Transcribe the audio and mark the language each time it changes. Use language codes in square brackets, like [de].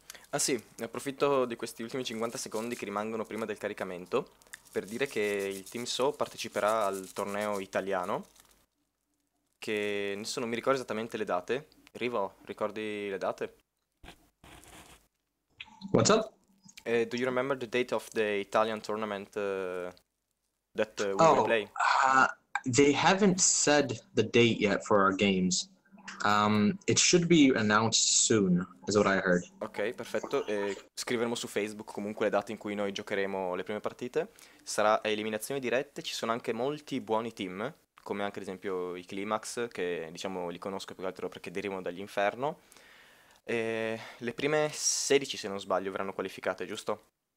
[it] Ah sì, approfitto di questi ultimi 50 secondi che rimangono prima del caricamento per dire che il Team SOW parteciperà al torneo italiano, che nessuno mi ricorda esattamente le date. Rivo, ricordi le date? [en] What's up? Do you remember the date of the Italian tournament that we will Oh, play? they haven't said the date yet for our games. It should be announced soon, is what I heard. [it] Ok, perfetto. Scriveremo su Facebook comunque le date in cui noi giocheremo le prime partite. Sarà a eliminazioni dirette. Ci sono anche molti buoni team, come anche ad esempio i Climax, che diciamo li conosco più che altro perché derivano dall'inferno. Le prime 16, se non sbaglio, verranno qualificate, giusto?